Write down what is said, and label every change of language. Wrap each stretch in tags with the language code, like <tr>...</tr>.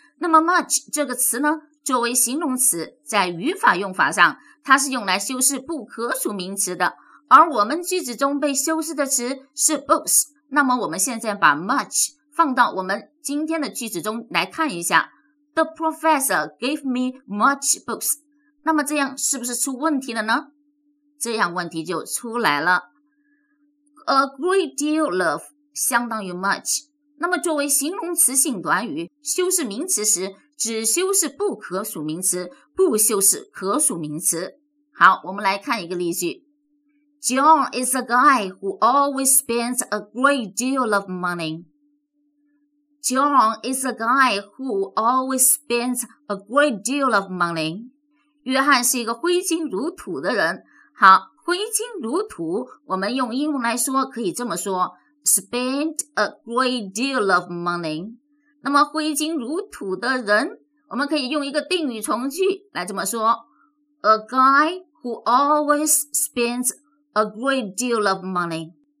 <zh>那么 much 这个词呢，作为形容词，在语法用法上，它是用来修饰不可数名词的，而我们句子中被修饰的词是 books。那么我们现在把 much 放到我们今天的句子中来看一下。</zh> <en>The professor gave me much books。</en> <zh>那么这样是不是出问题了呢？这样问题就出来了。 A great deal of 相当于 much， 那么作为形容词性短语，修饰名词时只修饰不可数名词，不修饰可数名词。好，我们来看一个例句。</zh> <en>John is a guy who always spends a great deal of money. John is a guy who always spends a great deal of money.</en> <zh>约翰是一个挥金如土的人。好，挥金如土，我们用英文来说可以这么说，</zh> <en>spend a great deal of money。</en> <zh>那么挥金如土的人，我们可以用一个定语从句来这么说，</zh> <en>A guy who always spends a great deal of money。</en>